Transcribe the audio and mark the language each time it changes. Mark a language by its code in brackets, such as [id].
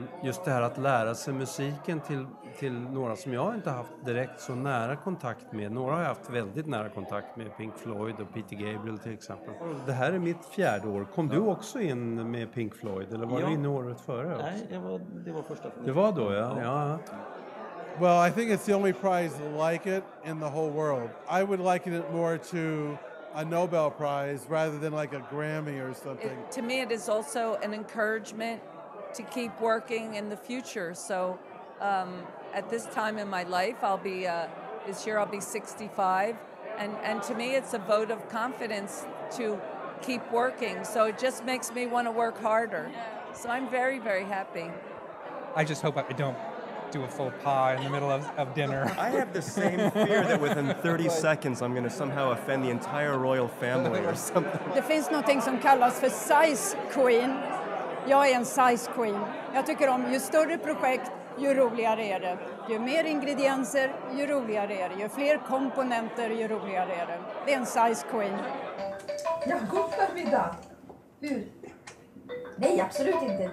[sv] Just det här att lära sig musiken till några som jag inte har haft direkt så nära kontakt med. Några har jag haft väldigt nära kontakt med, Pink Floyd och Peter Gabriel till exempel. Det här är mitt fjärde år. Kom du också in med Pink Floyd eller var du inne året före? Nej, det var första. Det var då, ja. Ja. [en] Well, I think it's the only prize like it in the whole world. I would liken it more to a Nobel Prize rather than like a Grammy or something. To me, it is also an encouragement to keep working in the future. So at this time in my life, I'll be this year I'll be 65. And to me, it's a vote of confidence to keep working. So it just makes me want to work harder. So I'm very, very happy. I just hope I don't do a full pie in the middle of dinner. I have the same fear that within 30 seconds I'm going to somehow offend the entire royal family or something. [sv] Det finns någonting som kallas för size queen. Jag är en size queen. Jag tycker om ju större projekt, ju roligare är det. Ju mer ingredienser, ju roligare är det. Ju fler komponenter, ju roligare är det. Det är en size queen. Ja, god förmiddag. Hur? Nej, absolut inte.